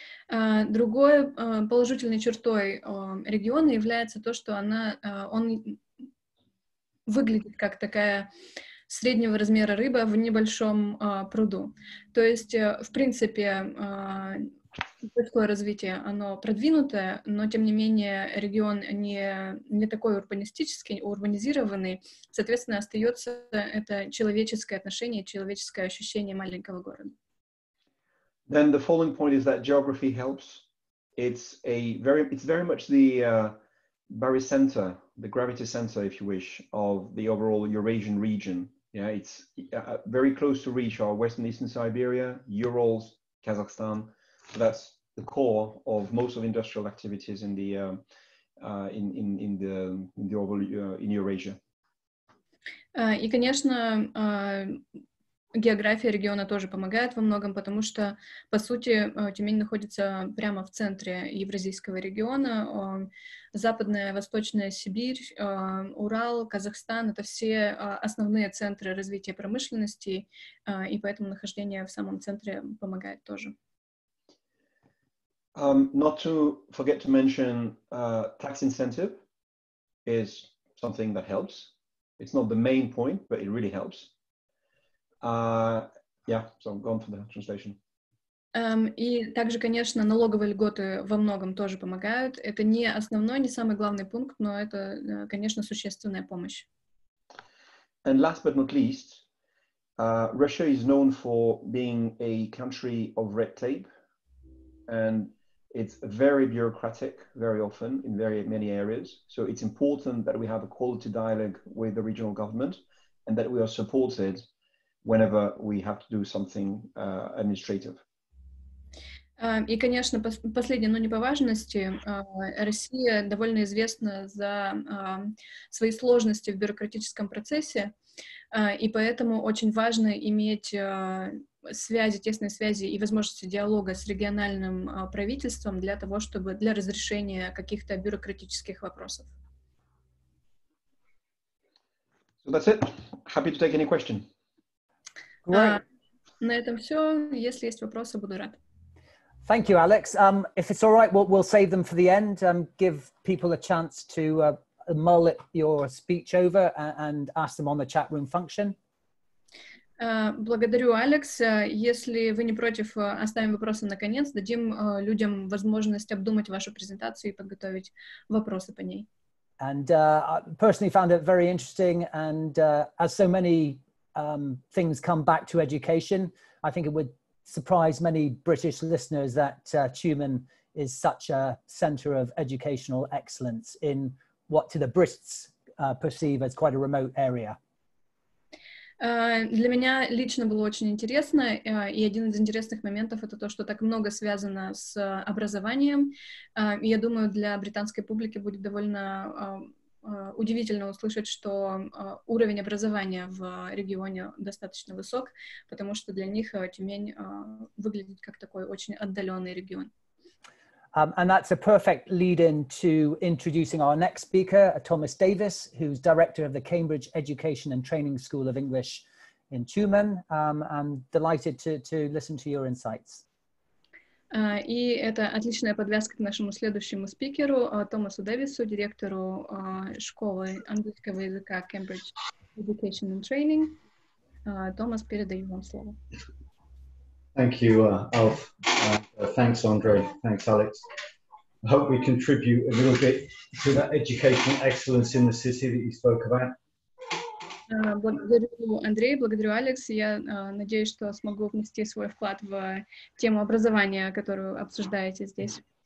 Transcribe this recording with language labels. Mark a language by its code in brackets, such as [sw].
[ru] Другой положительной чертой региона является то, что она, он выглядит как такая среднего размера рыба в небольшом пруду. То есть, в принципе, городское развитие, оно продвинутое, но, тем не менее, регион не такой урбанистический, урбанизированный. Соответственно, остается это человеческое отношение, человеческое ощущение маленького города. [en] Then the following point is that geography helps. It's very much the barycenter, the gravity center, if you wish, of the overall Eurasian region. Yeah, it's very close to reach our western eastern Siberia, Urals, Kazakhstan. So that's the core of most of industrial activities in Eurasia. [ru] И, конечно, география региона тоже помогает во многом, потому что, по сути, Тюмень находится прямо в центре Евразийского региона. Западная, Восточная Сибирь, Урал, Казахстан — это все основные центры развития промышленности, и поэтому нахождение в самом центре помогает тоже. [en] Not to forget to mention tax incentive is something that helps. It's not the main point, but it really helps. So go on for the translation. [ru] И также, конечно, налоговые льготы во многом тоже помогают. Это не основной, не самый главный пункт, но это, конечно, существенная помощь. [en] And last but not least, Russia is known for being a country of red tape, and it's very bureaucratic, very often in very many areas. So it's important that we have a quality dialogue with the regional government, and that we are supported whenever we have to do something administrative. [ru] И, конечно, последнее, но не по важности, Россия довольно известна за свои сложности в бюрократическом процессе, и поэтому очень важно иметь связи, тесные связи и возможности диалога с региональным правительством для того, чтобы для разрешения каких-то бюрократических вопросов. [en] So that's it. Happy to take any question. [ru] На этом все. Если есть вопросы, буду рад. [en] Thank you, Alex. If it's all right, we'll save them for the end. Give people a chance to mull your speech over and ask them on the chat room function. [ru] Благодарю, Алекс. Если вы не против, оставим вопросы на конец, дадим людям возможность обдумать вашу презентацию и подготовить вопросы по ней. [en] And I personally found it very interesting, and as so many things come back to education, I think it would surprise many British listeners that Tumen is such a center of educational excellence in what to the Brits perceive as quite a remote area. [ru] Для меня лично было очень интересно, и один из интересных моментов — это то, что так много связано с образованием. Я думаю, для британской публики будет довольно удивительно услышать, что уровень образования в регионе достаточно высок, потому что для них Тюмень выглядит как такой очень отдаленный регион. [en] And that's a perfect lead-in to introducing our next speaker, Thomas Davis, who's director of the Cambridge Education and Training School of English in Tumen. I'm delighted to listen to your insights. [ru] И это отличная подвязка к нашему следующему спикеру, Томасу Дэвису, директору школы английского языка Cambridge Education and Training. Томас, передаю вам слово. [en] Thank you, Alf. Thanks, Andre. Thanks, Alex. I hope we contribute a little bit to that educational excellence in the city that you spoke about. [ru] Благодарю, Андрей, благодарю, Алекс. Я надеюсь, что смогу внести свой вклад в тему образования, которую обсуждаете здесь.